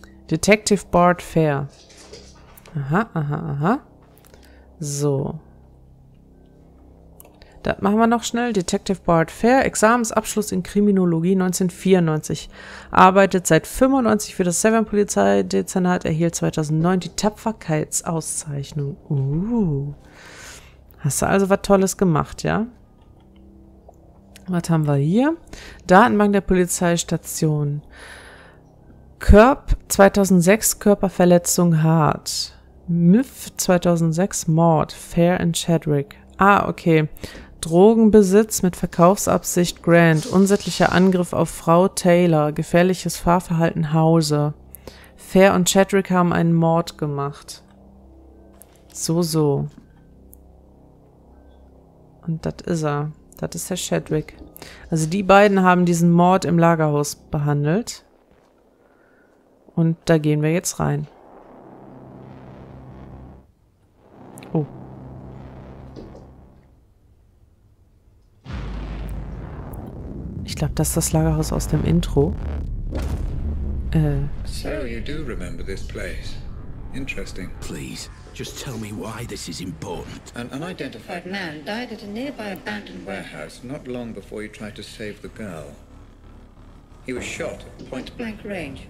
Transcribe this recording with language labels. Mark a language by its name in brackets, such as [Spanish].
[German] Detective Bart Fair. Aha. So. Das machen wir noch schnell. Detective Bart Fair, Examensabschluss in Kriminologie 1994. Arbeitet seit 95 für das Severn Polizeidezernat, erhielt 2009 die Tapferkeitsauszeichnung. Hast du also was Tolles gemacht, ja? Was haben wir hier? Datenbank der Polizeistation. Körp 2006, Körperverletzung hart. Miff 2006, Mord. Fair and Chadwick. Ah, okay. Drogenbesitz mit Verkaufsabsicht Grant, unsittlicher Angriff auf Frau Taylor, gefährliches Fahrverhalten Hause. Fair und Chadwick haben einen Mord gemacht. So. Und das ist er. Das ist der Chadwick. Also die beiden haben diesen Mord im Lagerhaus behandelt. Und da gehen wir jetzt rein. Ich glaube, das ist das Lagerhaus aus dem Intro. [English] So you do remember this place. Interesting. Please, just tell me why this is important. An unidentified man died at a nearby abandoned warehouse not long before you tried to save the girl. He was shot at point blank range.